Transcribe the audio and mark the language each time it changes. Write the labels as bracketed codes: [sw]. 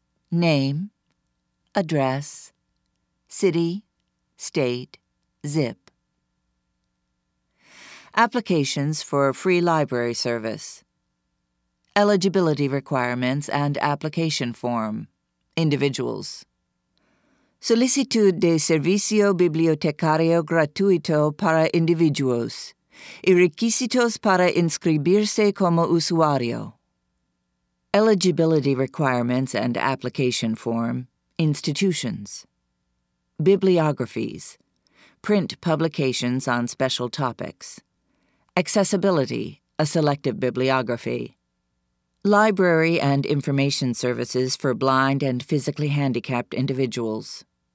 [en] Name, address, city, state, zip. Applications for free library service. Eligibility requirements and application form. Individuals. [es] Solicitud de servicio bibliotecario gratuito para individuos. Y requisitos para inscribirse como usuario. [en] Eligibility requirements and application form. Institutions. Bibliographies. Print publications on special topics. Accessibility. A selective bibliography. Library and information services for blind and physically handicapped individuals.